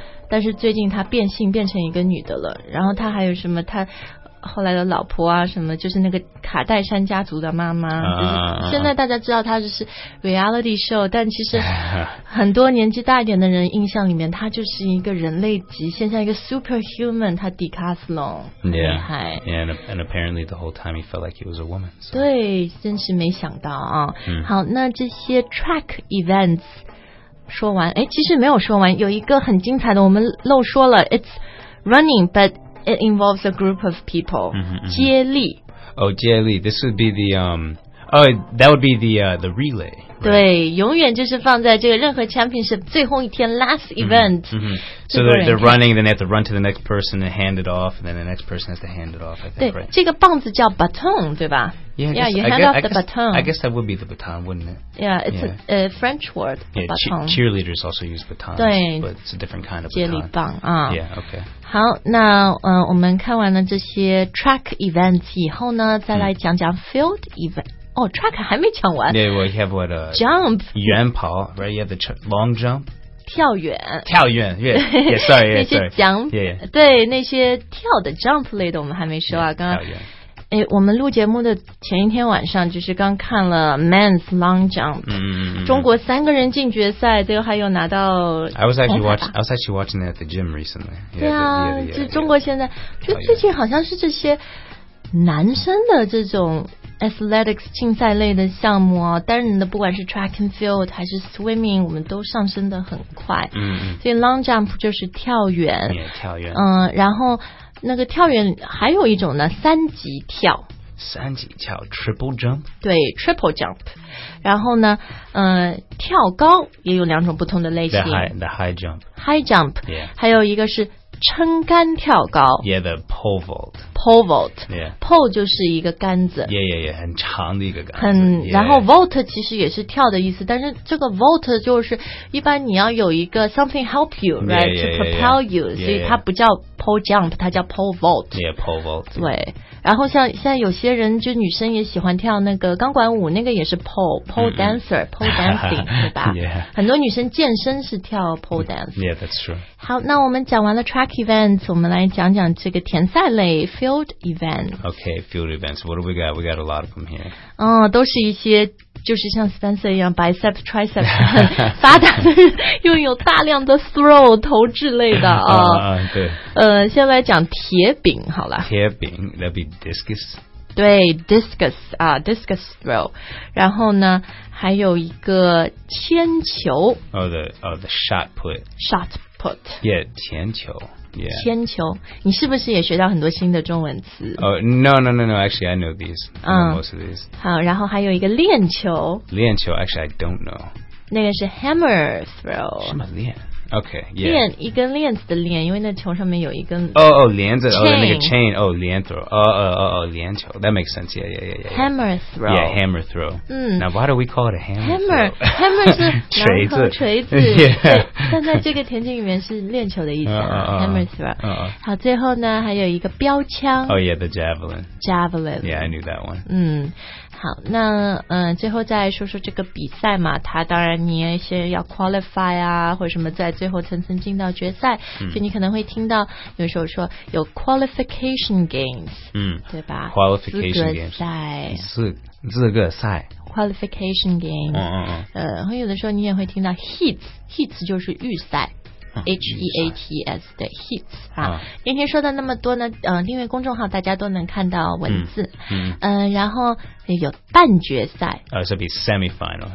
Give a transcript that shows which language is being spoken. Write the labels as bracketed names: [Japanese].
[Chinese] 但是最近他变性变成一个女的了然后他还有什么他后来的老婆啊什么就是那个卡戴珊家族的妈妈、现在大家知道她就是 reality show 但其实很多年纪大一点的人印象里面她就是一个人类极限像一个 superhuman 她迪卡斯隆厉害 [English] and apparently the whole time he felt like he was a woman、so. [Chinese] 对真是没想到啊、好那这些 track events 说完哎，其实没有说完有一个很精彩的我们漏说了 [English] it's running butIt involves a group of people. [Chinese] 接力 [English] Oh, [Chinese] 接力 [English] This would be the that would be the relay.、Right? [Chinese] 对，永远就是放在这个任何 championship 最后一天 [English] last event. So they're running, then they have to run to the next person and hand it off, and then the next person has to hand it off. I think, right? [Chinese] 这个棒子叫 baton, 对吧？ [English] Yeah, you hand off the baton. I guess that would be the baton, wouldn't it? Yeah, it's a French word. Yeah, baton. Cheerleaders also use batons. [Chinese] 对 [English] but it's a different kind of [Chinese] 接力棒啊。 [English] Yeah, okay. [Chinese] 好那我们看完了这些 track events 以后呢再来讲讲 field event 哦 track 还没讲完 [English] yeah, well, you have what, jump [Chinese] 远跑 [English] right? you have the long jump [Chinese] 跳远 [English] yeah, sorry [Chinese] 那些讲对那些跳的 jump 类的我们还没说啊 [English] yeah, [Chinese] 刚刚哎，我们录节目的前一天晚上就是刚看了 Men's Long Jump、嗯、中国三个人进决赛，最后还有拿到 [English] I was actually watching that at the gym recently. Yeah, [Chinese] 对啊 [English] yeah, [Chinese] 就中国现在、 [English] yeah. [Chinese] 就最近好像是这些男生的这种Athletics 竞赛类的项目啊，单人的不管是 track and field 还是 swimming 我们都上升得很快、嗯、所以 long jump 就是跳远、 yeah, 跳远、然后那个跳远还有一种呢三级跳三级跳 triple jump 对 triple jump 然后呢、跳高也有两种不同的类型 [English] the high jump、 [Chinese] yeah. 还有一个是撑杆跳高 [English] Yeah, the pole vault Pole vault、 yeah. [Chinese] Pole 就是一个杆子 Yeah, yeah, yeah 很长的一个杆子很、 [English] yeah. [Chinese] 然后 vault 其实也是跳的意思但是这个 vault 就是一般你要有一个 [English] something help you right, yeah, yeah, to propel you yeah, yeah. [Chinese] 所以它不叫 pole jump 它叫 pole vault [English] Yeah, pole vault [Chinese] 对然后像现在有些人就女生也喜欢跳那个钢管舞那个也是 pole dancer、 mm-hmm. [English] pole dancing 对吧、 yeah. [Chinese] 很多女生健身是跳 pole dance [English] Yeah, that's true [Chinese] 好那我们讲完了 track events 我们来讲讲这个田赛类 field events [English] Okay, field events What do we got? We got a lot of them here [Chinese] 嗯，都是一些就是像 Spencer 一样 bicep, tricep 发达的又有大量的 throw 投掷类的啊、对先来讲铁饼好了 [English] 铁饼 that'd be discus [Chinese] 对 discus 啊 discus throw 然后呢还有一个铅球 [English] the shot put shot put yeah 铅球Yeah. [Chinese] 铅球你是不是也学到很多新的中文词 [English] No, actually I know these、most of these [Chinese] 好然后还有一个链球 [English] 链球 actually I don't know [Chinese] 那个是 hammer throw 什么链 okay、 [English] yeah. [Chinese] 链一根链子的链因为那球上面有一根链子 那个 [English] chain 链 throw 链球 that makes sense yeah. hammer throw yeah hammer throw、嗯、 now why do we call it a hammer hammer throw? [Chinese] hammer 是锤子锤子 [English] yeah [Chinese] 但在这个田径里面是练球的意思、hammer throw 好最后呢还有一个标枪 [English] oh yeah the javelin javelin yeah I knew that one [Chinese] 嗯好那最后再说说这个比赛嘛它当然你也先要 qualify 啊或者什么在最后层层进到决赛、嗯、所以你可能会听到有时候说有 qualification games 嗯对吧 [English] qualification games 资格赛 qualification games 嗯 [Chinese] 然后有的时候你也会听到 heats 就是预赛H-E-A-T-S 的 Heats 啊，今天说的那么多呢订阅公众号大家都能看到文字然后有半决赛 [English] So be semi-final